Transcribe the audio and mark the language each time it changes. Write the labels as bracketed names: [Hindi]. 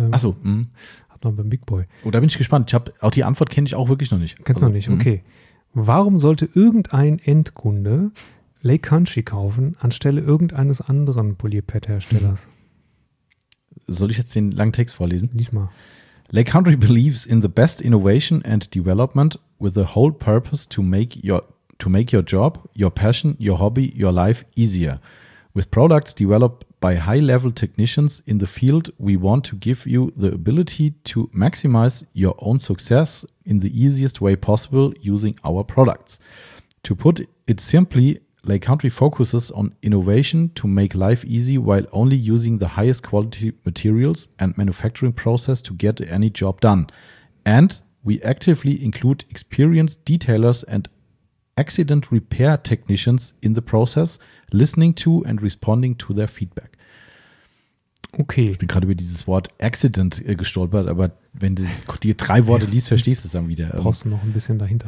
[German] Ach so. Hat man beim Big Boy. Oh, da bin ich gespannt. Auch die Antwort kenne ich auch wirklich noch nicht. Kennst du noch nicht? Okay. Warum sollte irgendein Endkunde Lake Country kaufen, anstelle irgendeines anderen Polierpad-Herstellers? Soll ich jetzt den langen Text vorlesen? Lies mal. [English] Lake Country believes in the best innovation and development with the whole purpose to make your job, your passion, your hobby, your life easier. With products developed By high-level technicians in the field, we want to give you the ability to maximize your own success in the easiest way possible using our products. To put it simply, Lake Country focuses on innovation to make life easy while only using the highest quality materials and manufacturing process to get any job done. And we actively include experienced detailers and accident repair technicians in the process, listening to and responding to their feedback. [German] Okay. Ich bin gerade über dieses Wort Accident gestolpert, aber wenn du die drei Worte liest, verstehst du es dann wieder. Brauchst du noch ein bisschen dahinter.